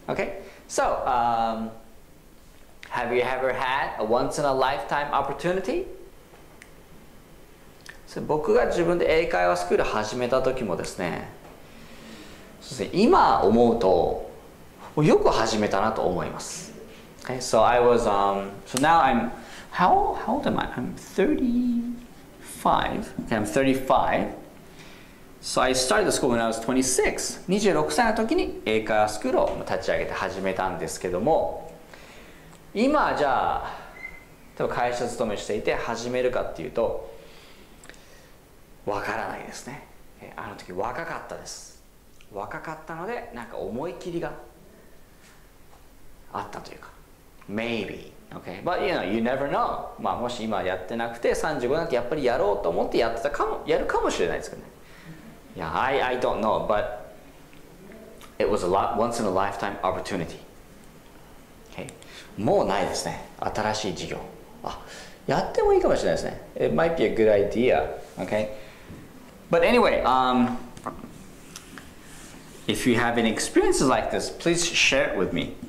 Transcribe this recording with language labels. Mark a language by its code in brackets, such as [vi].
[en] Okay? So, have you ever had a once in a lifetime opportunity? [ja] 僕が自分で英会話スクール始めた時もですね、そうですね、今思うとよく始めたなと思います。 [en] Okay, so I was, so now I'm, how old am I? I'm 35. Okay, I'm 35. So I started the school when I was 26. [ja] 26歳の時に英会話スクールを立ち上げて始めたんですけども、今じゃあ、例えば会社勤めしていて始めるかっていうと、わからないですね。あの時若かったです。若かったので、なんか思い切りがあったというか。 [en] Maybe. Okay. But you know, you never know. [ja] まあもし今やってなくて35になってやっぱりやろうと思ってやってたかも、やるかもしれないですけどね。 [en] Yeah, I don't know, but it was a lot, once in a lifetime opportunity. [ja] Okay. もうないですね。新しい事業。あ、やってもいいかもしれないですね。 [en] It might be a good idea. Okay. But anyway, if you have any experiences like this, please share it with me.